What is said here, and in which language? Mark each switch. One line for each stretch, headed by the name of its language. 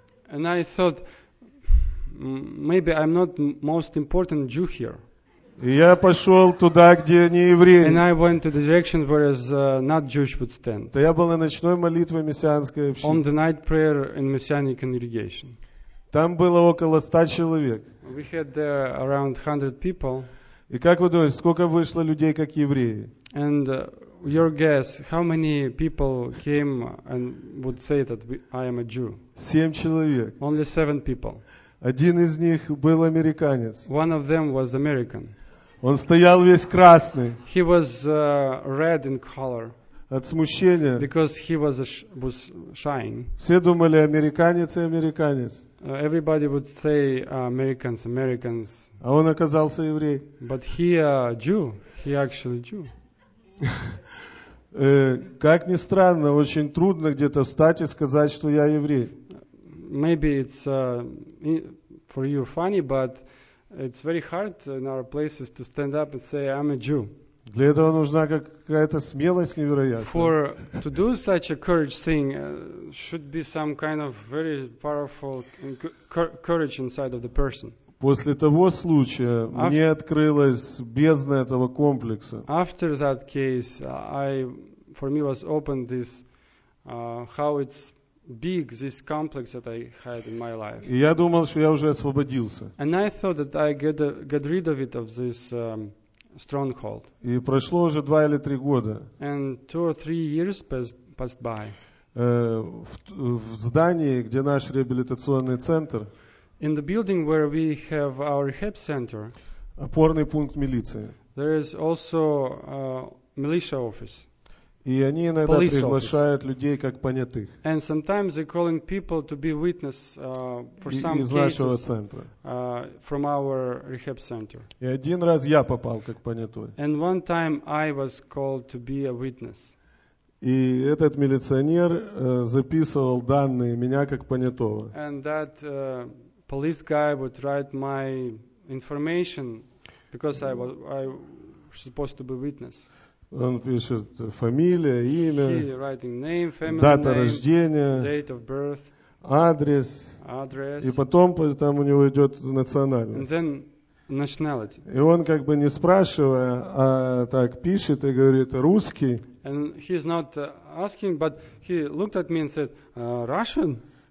English: And I thought, maybe I'm not most important Jew here.
Russian: И я пошел туда, где не евреи.
English: And I went to the direction where is not Jewish would stand.
Russian: Я был на ночной молитве мессианской общины.
English: On the night prayer in messianic congregation.
Russian: Там было около 100 человек.
English: We had there around 100 people.
Russian: И как вы думаете, сколько вышло людей как евреи?
English: And your guess, how many people came and would say that I am a Jew?
Russian: 7 человек.
English: Only 7 people.
Russian: Один из них был американец.
English: One of them was American.
Russian: Он стоял весь красный.
English: He was red in color.
Russian: От смущения.
English: Because he was was shying.
Russian: Все думали, американец и американец.
English: Everybody would say Americans, Americans.
Russian: А он оказался еврей.
English: But he a Jew. He actually Jew.
Russian: Как ни странно, очень трудно где-то встать и сказать, что я еврей.
English: Maybe it's for you funny, but it's very hard in our places to stand up and say I'm a Jew.
Russian: Для этого нужна какая-то смелость невероятная.
English: For to do such a courage thing should be some kind of very powerful courage inside of the person.
Russian: После того случая мне открылась бездна этого комплекса.
English: After that case, for me was opened this how it's big this complex that I had in my life.
Russian: И я думал, что я уже освободился.
English: And I thought that I get rid of it of this stronghold.
Russian: И прошло уже 2 или 3 года.
English: And 2 or 3 years passed by.
Russian: В здании, где наш реабилитационный центр.
English: In the building where we have our rehab center.
Russian: Опорный пункт милиции.
English: There is also a militia office.
Russian: И они иногда приглашают людей как понятых.
English: And sometimes they're calling people to be witness for some
Russian: из нашего центра.
English: From our rehab center.
Russian: И один раз я попал как понятой.
English: And one time I was called to be a witness.
Russian: И этот милиционер записывал данные меня как понятого.
English: And that police guy would write my information because I was supposed to be witness.
Russian: Он пишет фамилия, имя,
English: name,
Russian: дата
English: name,
Russian: рождения,
English: date of birth,
Russian: адрес,
English: address,
Russian: и потом там у него идет национальность.
English: Then nationality.
Russian: И он как бы не спрашивая, а так пишет и говорит русский.
English: And he's not asking, but he looked at me and said, Russian?